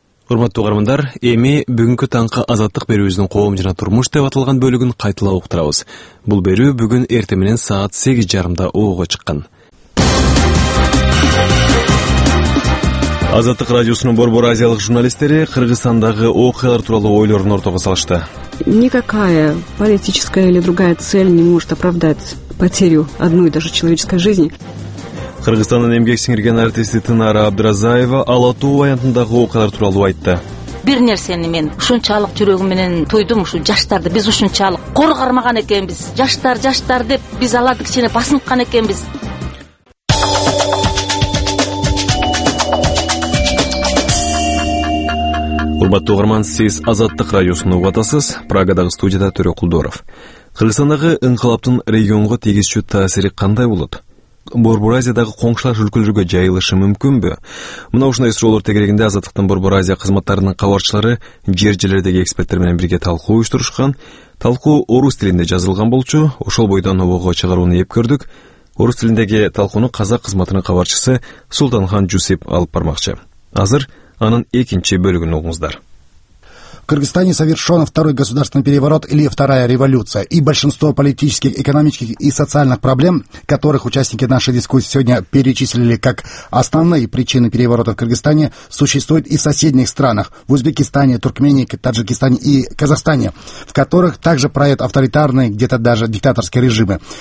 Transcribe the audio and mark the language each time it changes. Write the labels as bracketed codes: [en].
[ky] Урматтуу угармандар, эми бүгүнкү таңкы Азаттык берүүбүздүн коом жана турмуш деп аталган бөлүгүн кайтала уктурабыз. Бул берүү бүгүн эртең менен саат 8:30 ого чыккан. Азаттык радиосунун борбор азиялык журналисттери Кыргызстандагы окуялар тууралуу ойлорун ортого салышты. [ru] Никакая политическая или другая цель не может оправдать потерю одной даже человеческой жизни. [ky] Кыргызстандын эмгек сиңирген артисти Тынара Абдыразаева Алатуу аянтындагы окуялар тууралуу айтты. Бир нерсени мен ушунчалык жүрөгүм менен тойдум, ушул жаштарды биз ушунчалык коргармаган экенбиз. Жаштар, жаштар деп биз алардын ичине басынткан экенбиз. Урматтуу угарман, сиз Азаттык радиосун угуп атасыз. Прагадагы студияда Төрөкулдоров. Кыргызстандагы инкылаптын региондо тийгизчү таасири кандай болот? Борбор Азиядагы коңшулаш өлкөлөргө жайылышы мүмкүнбү? Мына ушундай суроолор тегерегинде Азаттыктын Борбор Азия кызматтарынын кабарчылары жер жерлердеги эксперттер менен бирге талкуу уюштурушкан. Талкуу орус тилинде жазылган болчу, ошол бойдон обого чыгарууну эп көрдүк. Орус тилиндеги талкууну казак кызматынын кабарчысы Султанхан Жусип алып бармакчы. Азыр анын экинчи бөлүгүн угуңуздар. [ru] В Кыргызстане совершен второй государственный переворот или вторая революция, и большинство политических, экономических и социальных проблем, которых участники нашей дискуссии сегодня перечислили как основные причины переворота в Кыргызстане, существуют и в соседних странах, в Узбекистане, Туркмении, Таджикистане и Казахстане, в которых также правят авторитарные, где-то даже диктаторские режимы.